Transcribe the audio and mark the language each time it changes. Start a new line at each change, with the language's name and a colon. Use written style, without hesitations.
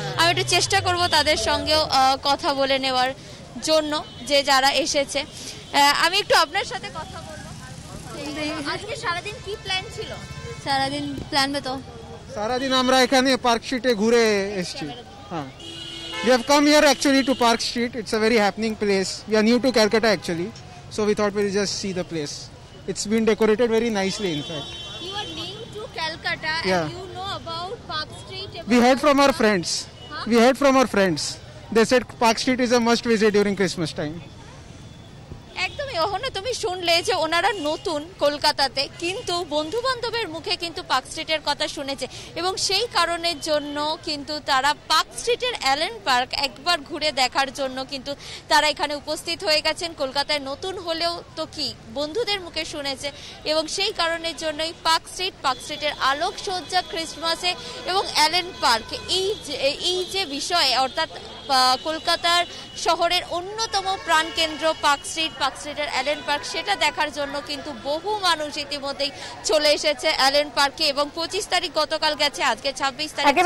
Bangla: আমি একটু চেষ্টা করব তাদের সঙ্গেও কথা বলে নেওয়ার জন্য যে যারা এসেছে। আমি একটু আপনার সাথে কথা বলব, আজকে সারাদিন কি প্ল্যান ছিল? সারাদিন প্ল্যান বেতো সারাদিন আমরা এখানে পার্ক স্ট্রিটে ঘুরে এসেছি।
English: We have come here actually to Park Street. It's a very happening place. We are new to Calcutta actually. So we thought we'll just see the place. It's been decorated very nicely in fact. You are new to Calcutta and yeah. You know about Park Street? About we heard from our friends. Huh? We heard from our friends. They said Park Street is a must visit during Christmas time.
Bangla: ওখানে তুমি শুনলে যে ওনারা নতুন কলকাতাতে, কিন্তু বন্ধু বান্ধবের মুখে কিন্তু পার্ক স্ট্রিটের কথা শুনেছে এবং সেই কারণের জন্য কিন্তু তারা পার্ক স্ট্রিটের অ্যালেন পার্ক একবার ঘুরে দেখার জন্য কিন্তু তারা এখানে উপস্থিত হয়ে গেছেন। কলকাতায় নতুন হলেও তো কি, বন্ধুদের মুখে শুনেছে এবং সেই কারণের জন্যই পার্ক স্ট্রিট, পার্ক স্ট্রিটের আলোকসজ্জা ক্রিসমাসে এবং অ্যালেন পার্ক, এই যে বিষয়ে অর্থাৎ কলকাতার শহরের অন্যতম প্রাণকেন্দ্র পার্ক স্ট্রিট, পার্ক স্ট্রিটের অ্যালেন পার্ক, সেটা দেখার জন্য কিন্তু বহু মানুষ ইতিমধ্যেই চলে এসেছে অ্যালেন পার্কে এবং 25 তারিখ গতকাল গেছে, আজকে 26 তারিখ।